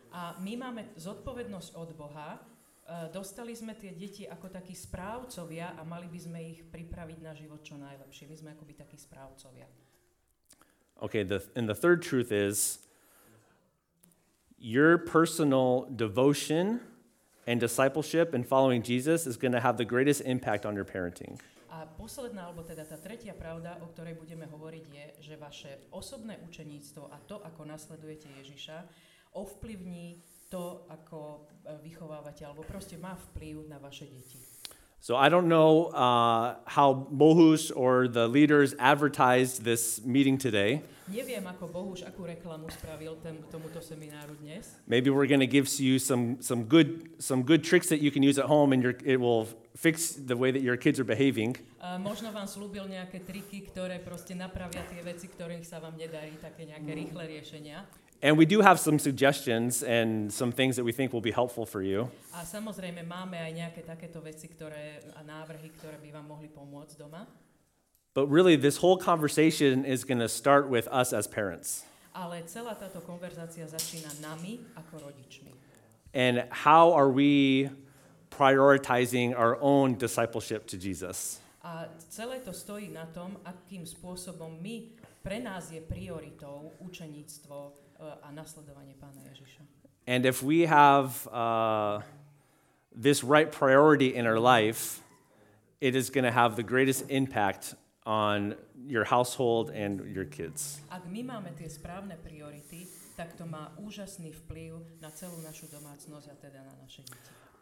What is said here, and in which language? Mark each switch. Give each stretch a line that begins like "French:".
Slovak: A my máme zodpovednosť od Boha. Dostali sme tie deti ako takí správcovia a mali by sme ich pripraviť na život čo najlepšie. My sme akoby takí správcovia.
English: Okay, the third truth is your personal devotion and discipleship and following Jesus is going to have the greatest impact on your parenting.
Slovak: A posledná, alebo teda tá tretia pravda, o ktorej budeme hovoriť, je, že vaše osobné učeníctvo a to, ako nasledujete Ježiša, ovplyvní to, ako vychovávate, alebo proste má vplyv na vaše deti.
English: So I don't know how Bohus or the leaders advertised this meeting today.
Slovak: Neviem, ako Bohus akú reklamu spravil tomuto semináru dnes.
English: Maybe we're going to give you some good tricks that you can use at home and it will fix the way that your kids are behaving.
Slovak: Možno vám slúbil nejaké triky, ktoré proste napravia tie veci, ktorých sa vám nedarí, také nejaké rýchle riešenia.
English: And we do have some suggestions and some things that we think will be helpful for you.
Slovak: A samozrejme máme aj nejaké takéto veci, ktoré a návrhy, ktoré by vám mohli pomôcť doma.
English: But really this whole conversation is going to start with us as parents.
Slovak: Ale celá táto konverzácia začína nami ako rodičmi.
English: And how are we prioritizing our own discipleship to Jesus?
Slovak: A celé to stojí na tom, akým spôsobom my pre nás je prioritou učeníctvo a nasledovanie Pána Ježiša.
English: And if we have this right priority in our life, it is going to have the greatest impact on your household and your kids.
Slovak: Ak my máme tie správne priority, tak to má úžasný vplyv na celú našu domácnosť a teda na naše deti.